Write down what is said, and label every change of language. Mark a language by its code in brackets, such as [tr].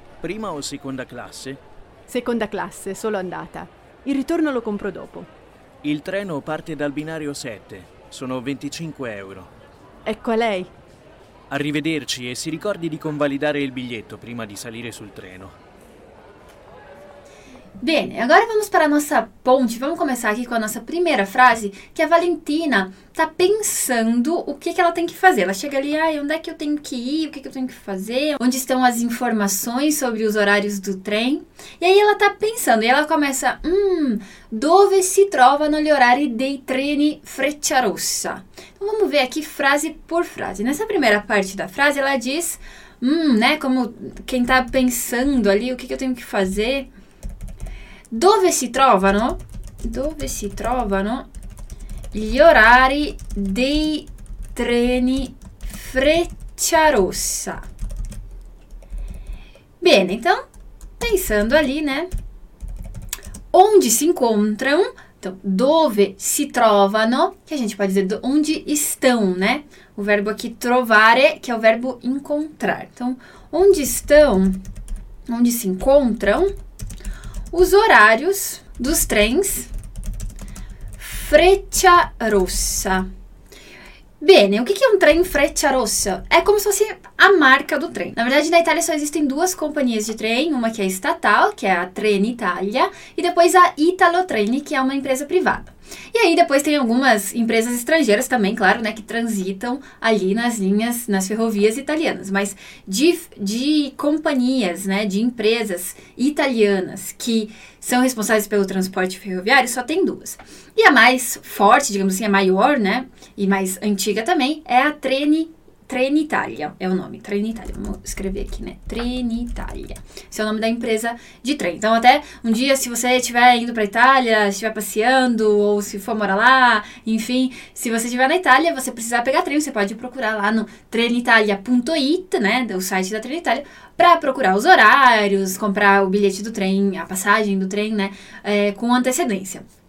[it] Prima o seconda classe? Seconda classe, solo andata. Il ritorno lo compro dopo. Il treno parte dal binario 7, sono 25 euro. Ecco a lei. Arrivederci e si ricordi di convalidare il biglietto prima di salire sul treno. [pt] Bene, agora vamos para a nossa ponte. Vamos começar aqui com a nossa primeira frase, que a Valentina tá pensando o que que ela tem que fazer. Ela chega ali, ai, onde é que eu tenho que ir? O que que eu tenho que fazer? Onde estão as informações sobre os horários do trem? E aí ela tá pensando, e ela começa, [it] dove si trovano gli orari dei treni Frecciarossa? [pt] Então vamos ver aqui frase por frase. Nessa primeira parte da frase, ela diz, né, como quem tá pensando ali, o que que eu tenho que fazer? [it] Dove si trovano? Dove si trovano gli orari dei treni Frecciarossa? [pt] Bene, então, pensando ali, né? Onde si incontrano? Então, [it] dove si trovano? [pt] Che a gente pode dizer onde estão, né? O verbo aqui trovare, che è o verbo incontrar. Então, onde estão? Onde si incontrano? Os horários dos trens Frecciarossa. Bene, o que é um trem Frecciarossa? É como se fosse a marca do trem. Na verdade, na Itália só existem duas companhias de trem, uma que é estatal, que é a Trenitalia, e depois a Italotrain, que é uma empresa privada. E aí depois tem algumas empresas estrangeiras também, claro, né, que transitam ali nas linhas, nas ferrovias italianas, mas de companhias, né, de empresas italianas que são responsáveis pelo transporte ferroviário, só tem duas. E a mais forte, digamos assim, a maior, né, e mais antiga também, é a Trenitalia. [it] Trenitalia, è un nome, Trenitalia, scrivi [pt] aqui, né? Trenitalia, esse é o nome da empresa de trem. Então até um dia, se você estiver indo para a Itália, estiver passeando, ou se for morar lá, enfim, se você estiver na Itália, você precisar pegar trem, você pode procurar lá no trenitalia.it, né, o site da Trenitalia, para procurar os horários, comprar o bilhete do trem, a passagem do trem, né, com antecedência.